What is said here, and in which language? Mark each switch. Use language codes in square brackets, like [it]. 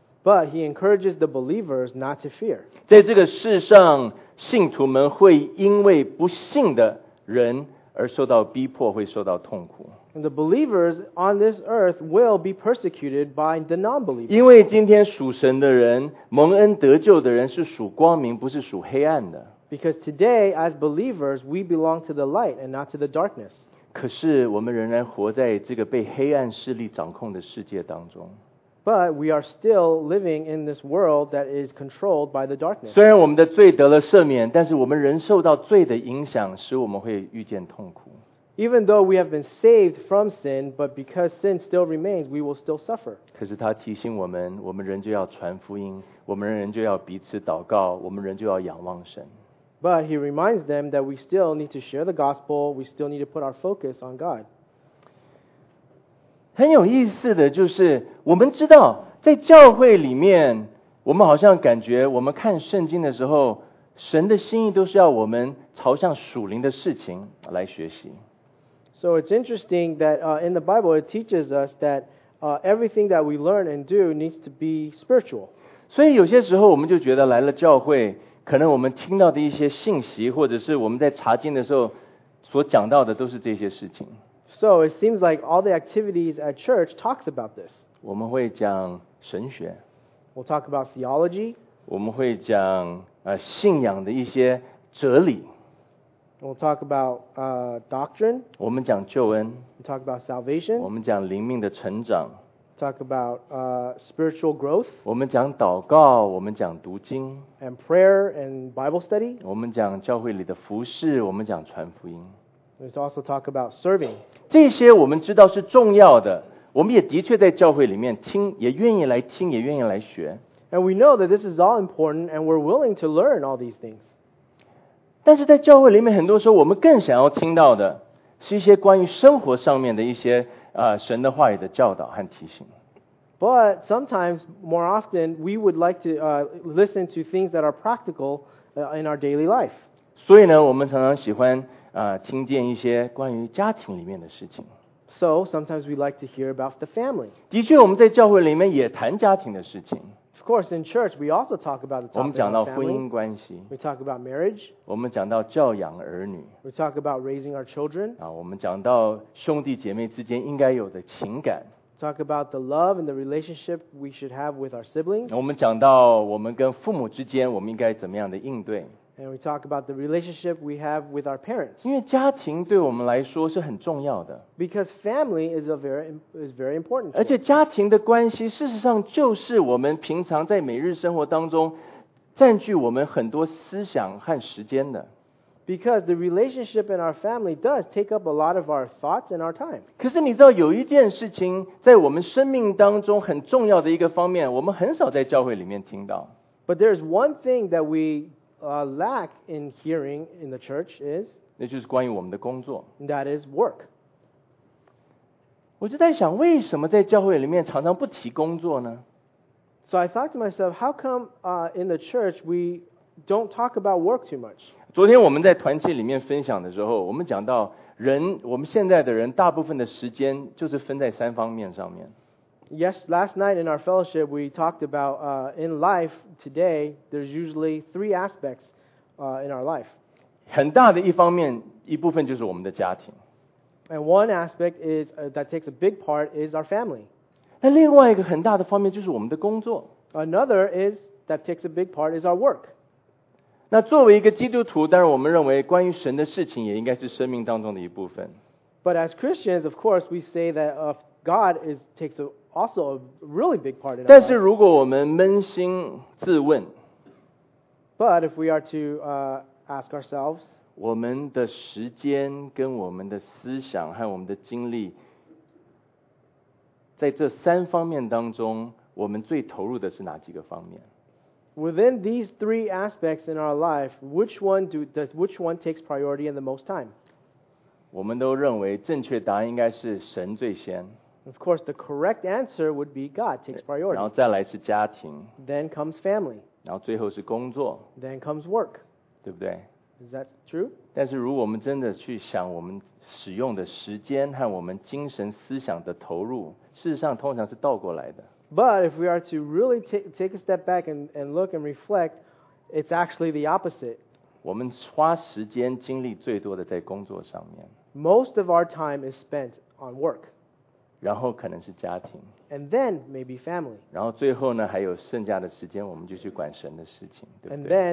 [en] But he encourages the believers not to fear. [zh] 在这个世上，信徒们会因为不信的人而受到逼迫，会受到痛苦。 [en] And the believers on this earth will be persecuted by the non-believers. [zh] 因为今天属神的人，蒙恩得救的人是属光明，不是属黑暗的。 [en] Because today, as believers, we belong to the light and not to the darkness. [zh] 可是我们仍然活在这个被黑暗势力掌控的世界当中。 [en] But we are still living in this world that is controlled by the darkness. [zh] 虽然我们的罪得了赦免，但是我们仍受到罪的影响，使我们会遇见痛苦。 [en] Even though we have been saved from sin, but because sin still remains, we will still suffer. [zh] 可是他提醒我们，我们仍旧要传福音，我们仍旧要彼此祷告，我们仍旧要仰望神。 [en] But he reminds them that we still need to share the gospel. We still need to put our focus on God. [zh] 很有意思的就是我们知道在教会里面我们好像感觉我们看圣经的时候神的心意都是要我们朝向属灵的事情来学习。 [en] So it's interesting that in the Bible it teaches us that everything that we learn and do needs to be spiritual. [zh] 所以有些时候我们就觉得来了教会可能我们听到的一些信息或者是我们在查经的时候所讲到的都是这些事情。 [en] So it seems like all the activities at church talks about this. [zh] 我们会讲神学。 [en] We'll talk about theology. [zh] 我们会讲信仰的一些哲理。 [en] We'll talk about doctrine. [zh] 我们讲救恩。 [en] We'll talk about salvation. [zh] 我们讲灵命的成长。 [en] Talk about spiritual growth. [zh] 我们讲祷告，我们讲读经。 [en] And prayer and Bible study. [zh] 我们讲教会里的服事，我们讲传福音。 [en] Let's also talk about serving. [zh] 这些我们知道是重要的，我们也的确在教会里面听，也愿意来听，也愿意来学。 [en] And we know that this is all important, and we're willing to learn all these things. [zh] 但是在教会里面，很多时候我们更想要听到的是一些关于生活上面的一些神的话语的教导和提醒。 [en] But sometimes, more often, we would like to listen to things that are practical in our daily life. [zh] 所以呢，我们常常喜欢听见一些关于家庭里面的事情。 [en] So sometimes we like to hear about the family. [zh] 的确，我们在教会里面也谈家庭的事情。 [en] Of course, in church, we also talk about the topic of family. [zh] 我们讲到婚姻关系。 [en] We talk about marriage. [zh] 我们讲到教养儿女。 [en] We talk about raising our children. [zh] 我们讲到兄弟姐妹之间应该有的情感。 [en] Talk about the love and the relationship we should have with our siblings. [zh] 我们讲到我们跟父母之间我们应该怎么样的应对。 [en] And we talk about the relationship we have with our parents. [zh] 因为家庭对我们来说是很重要的。 [en] Because family is very important. [zh] 而且家庭的关系事实上就是我们平常在每日生活当中占据我们很多思想和时间的。 [en] Because the relationship in our family does take up a lot of our thoughts and our time. [zh] 可是你知道有一件事情在我们生命当中很重要的一个方面我们很少在教会里面听到。 [en] But there's one thing that we lack in hearing in the church is [zh] 那就是关于我们的工作 [en] that is work [zh] 我就在想为什么在教会里面常常不提工作呢 [en] so I thought to myself how come in the church we don't talk about work too much [zh] 昨天我们在团契里面分享的时候我们讲到人我们现在的人大部分的时间就是分在三方面上面 [en] yes last night in our fellowship we talked about in lifeToday, there's usually three aspects in our life. [zh] 很大的一方面，一部分就是我们的家庭。 [en] And one aspect is, that takes a big part is our family. [zh] 那另外一个很大的方面就是我们的工作。 [en] Another is, that takes a big part is our work. [zh] 那作为一个基督徒，当然我们认为关于神的事情也应该是生命当中的一部分。 [en] But as Christians, of course, we say that God takes aAlso, a really big part in our life. [zh] 但是如果我们扪心自问 [en] But if we are to ask ourselves, [zh] 我们的时间跟我们的思想和我们的精力在这三方面当中我们最投入的是哪几个方面 [en] Within these three aspects in our life, which one takes priority and the most time? [zh] 我们都认为正确答案应该是神最先 [en] Of course, the correct answer would be God takes priority. [zh] 然后再来是家庭。 [en] Then comes family. [zh] 然后最后是工作。 [en] Then comes work. [zh] 对不对？ [en] Is that true? [zh] 但是如果我们真的去想我们使用的时间和我们精神思想的投入，事实上通常是倒过来的。 [en] But if we are to really take a step back and look and reflect, it's actually the opposite. [zh] 我们花时间精力最多的在工作上面。 [en] Most of our time is spent on work. [zh] 然后可能是家庭 [en] And then maybe family. [zh] 然后最后呢还有剩下的时间我们就去管神的事情对不对